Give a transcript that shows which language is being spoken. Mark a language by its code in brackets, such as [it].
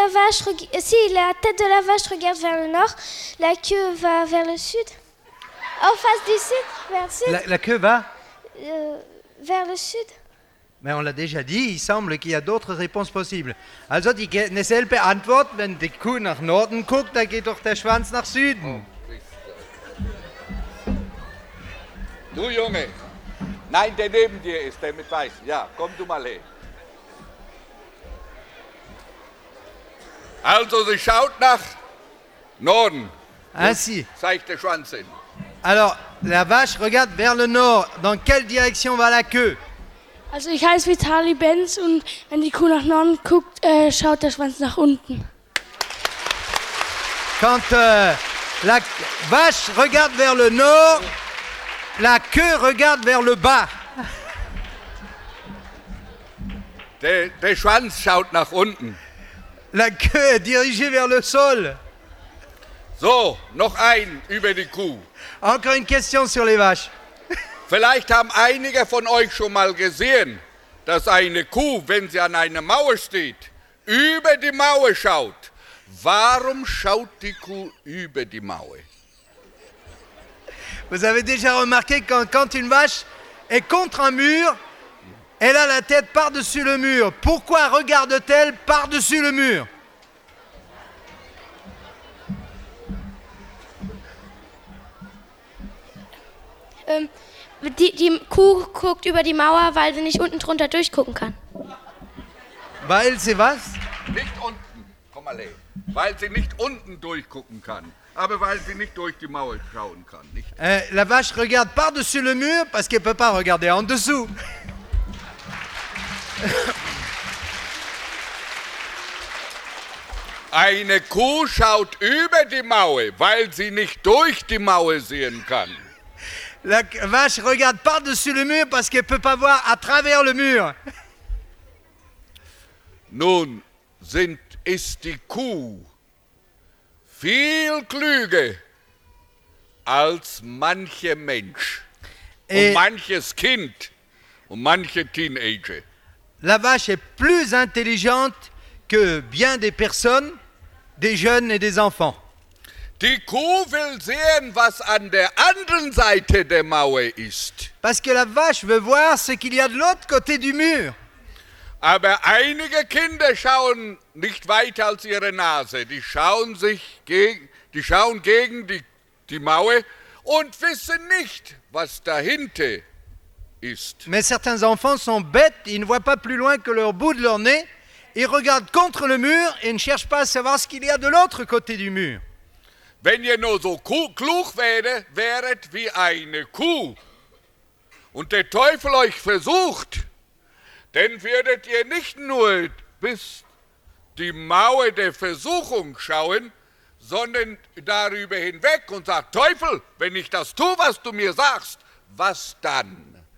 [fr] Si la tête de la vache regarde vers le nord, la queue va vers le sud. En face du sud, vers le sud. La queue va vers le sud. Mais on l'a déjà dit, il semble qu'il y a d'autres réponses possibles. [de] Also die selbe Antwort, wenn die Kuh nach Norden guckt, dann geht doch der Schwanz nach Süden. Oh, du Junge, nein, der neben dir ist, der mit Weiß. Ja, komm du mal her. Also sie schaut nach Norden. [fr] Ainsi. [de] Zeigt der Schwanz hin. [fr] Alors, la vache regarde vers le nord. Dans quelle direction va la queue? [de] Also ich heiße Vitali Benz und wenn die Kuh nach Norden guckt, schaut der Schwanz nach unten. [fr] Quand la vache regarde vers le nord, la queue regarde vers le bas. [de] Der Schwanz schaut nach unten. [fr] La queue est dirigée vers le sol. [de] So, noch ein über die Kuh. [fr] Encore une question sur les vaches. [de] Vielleicht haben einige von euch schon mal gesehen, dass eine Kuh, wenn sie an einer Mauer steht, über die Mauer schaut. Warum schaut die Kuh über die Mauer? [fr] Vous avez déjà remarqué quand une vache est contre un mur, elle a la tête par-dessus le mur. Pourquoi regarde-t-elle par-dessus le mur? [de] Die Kuh guckt über die Mauer, weil sie nicht unten drunter durchgucken kann. Weil sie was? Nicht unten. Komm mal her. Weil sie nicht unten durchgucken kann, aber weil sie nicht durch die Mauer schauen kann. Nicht. [fr] La vache regarde par-dessus le mur parce qu'elle peut pas regarder en dessous. [de] Eine Kuh schaut über die Mauer, weil sie nicht durch die Mauer sehen kann. [fr] La vache regarde par-dessus le mur parce qu'elle peut pas voir à travers le mur. [de] Nun ist die Kuh viel klüger als manche Mensch und manches Kind und manche Teenager. [fr] La vache est plus intelligente que bien des personnes, des jeunes et des enfants. [de] Die Kuh will sehen, was an der anderen Seite der Mauer ist. [fr] Parce que la vache veut voir ce qu'il y a de l'autre côté du mur. [de] Aber einige Kinder schauen nicht weiter als ihre Nase. Die schauen gegen die Mauer und wissen nicht, was dahinter ist. [fr] Mais certains enfants sont bêtes, ils ne voient pas plus loin que le bout de leur nez, ils regardent contre le mur et ne cherchent pas à savoir ce qu'il y a de l'autre côté du mur. [de] Wenn ihr nur so klug wäret wie eine Kuh und der Teufel euch versucht, dann würdet ihr nicht nur bis die Mauer der Versuchung schauen, sondern darüber hinweg und sagt, Teufel, wenn ich das tue, was du mir sagst, was dann?